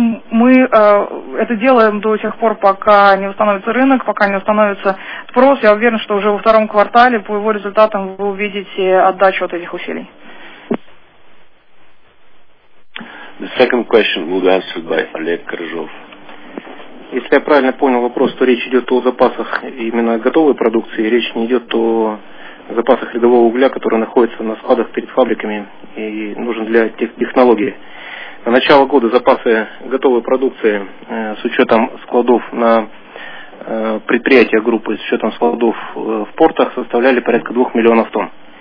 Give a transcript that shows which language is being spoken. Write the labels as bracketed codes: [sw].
[ru] Мы это делаем до тех пор, пока не восстановится рынок, пока не восстановится спрос. Я уверен, что уже во втором квартале по его результатам вы увидите отдачу от этих усилий. [en] The second question will be answered by Oleg Krizhov. [ru] Если я правильно понял вопрос, то речь идет о запасах именно готовой продукции, речь не идет о запасах рядового угля, который находится на складах перед фабриками и нужен для технологии. На начало года запасы готовой продукции с учетом складов на предприятиях группы, с учетом складов в портах, составляли порядка 2 миллионов тонн.